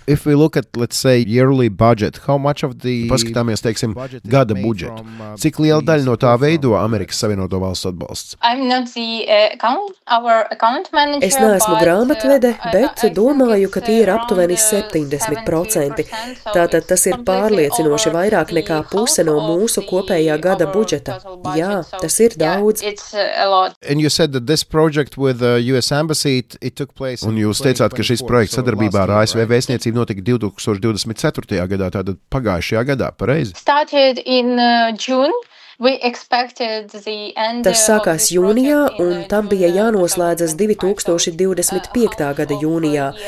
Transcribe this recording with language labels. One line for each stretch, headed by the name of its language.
English: If we look at, let's say, yearly budget, how much of the
Latvian: paskatāmies, teiksim, gada budžetu, cik liela daļa no tā veido Amerikas Savienoto Valstu atbalsts?
English: I'm not the account manager,
Latvian: es neesmu grāmatvede, bet domāju, ka tie ir aptuveni 70%. Tātad tas ir pārliecinoši vairāk nekā puse no mūsu kopējā gada budžeta. Jā, tas ir daudz.
English: And you said that this project with the US Embassy, it took place.
Latvian: Un jūs teicāt, ka šis projekts sadarbībā ar ASV vēstniecību notika 2024. Gadā, tātad pagājušajā gadā, pareizi?
English: Started in June. We expected the end.
Latvian: Tas sākās jūnijā un tam bija jānoslēdzas 2025. Gada jūnijā.